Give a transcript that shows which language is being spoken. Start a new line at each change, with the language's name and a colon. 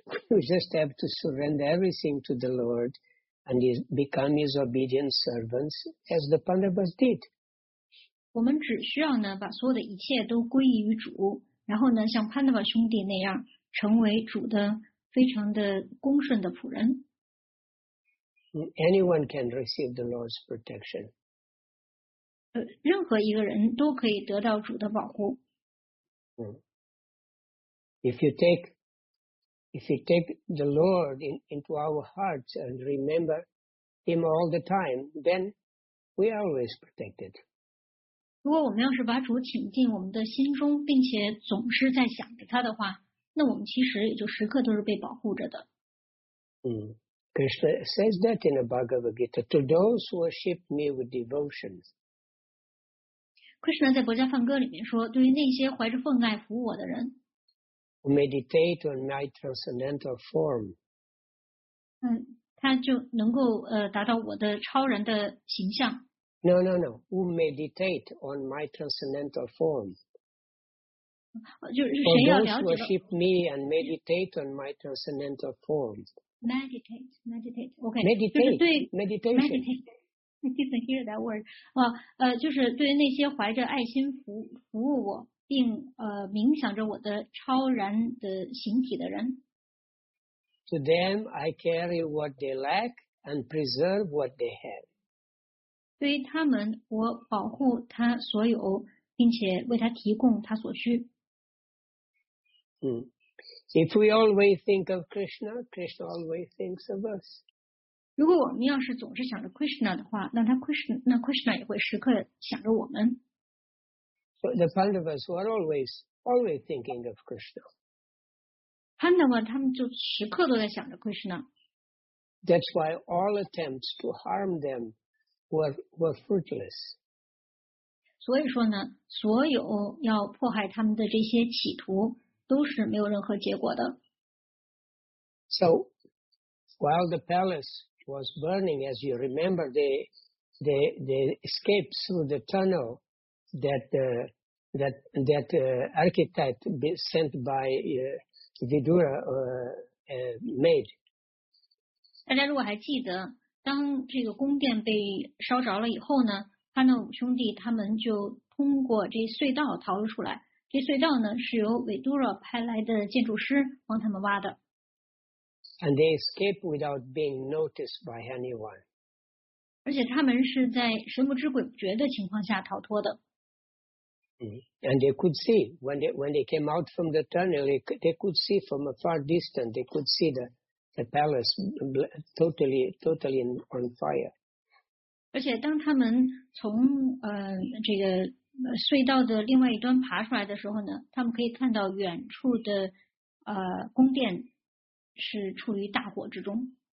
English: We just have to surrender everything to the Lord. And become his obedient servants as the Pandavas did.
Chinese: 我们只需要呢把所有的一切都归于主，然后呢像 Pandava 兄弟那样成为主的非常的恭顺的仆人。
English: Anyone can receive the Lord's protection.
Chinese: 任何一个人都可以得到主的保护。
English: If you take the Lord into our hearts and remember Him all the time, then we are always protected.
Chinese: 如果我们要是把主请进我们的心中，并且总是在想着他的话，那我们其实也就时刻都是被保护着的。
English: Krishna says that in the Bhagavad Gita, to those who worship me with devotion.
Chinese: Krishna 在《薄伽梵歌》里面说，对于那些怀着奉爱服务我的人。
English: Who meditate on my transcendental form.
Chinese: 他就能够达到我的超人的形象。
English: No. Who meditate on my transcendental form.
Chinese: 就是谁要了解了。
English: For those worship me and meditate on my transcendental form. Meditate. Okay. Meditation.
Chinese: 并冥想着我的超然的形体的人。
English: To them, I carry what they lack and preserve what they have.
Chinese: 对于他们，我保护他所有，并且为他提供他所需。
English: If we always think of Krishna, Krishna always thinks of us.
Chinese: 如果我们要是总是想着 Krishna 的话，那 Krishna 也会时刻想着我们。
English: But the Pandavas were always thinking of Krishna.
Chinese: Pandava, 他们就时刻都在想着 Krishna.
English: That's why all attempts to harm them were fruitless.
Chinese: 所以说呢，所有要迫害他们的这些企图都是没有任何结果的。
English: So, while the palace was burning, as you remember, they escaped through the tunnel that architect sent by Vidura made.
Chinese: 大家如果还记得，当这个宫殿被烧着了以后呢，潘达瓦兄弟他们就通过这隧道逃了出来。这隧道呢是由Vidura派来的建筑师帮他们挖的。
English: And they escaped without being noticed by anyone.
Chinese: 而且他们是在神不知鬼不觉的情况下逃脱的。
English: And they could see when they came out from the tunnel, they could see from a far distance. They could see the palace totally on fire.
Chinese: 而且当他们从这个隧道的另外一端爬出来的时候呢，他们可以看到远处的宫殿是处于大火之中。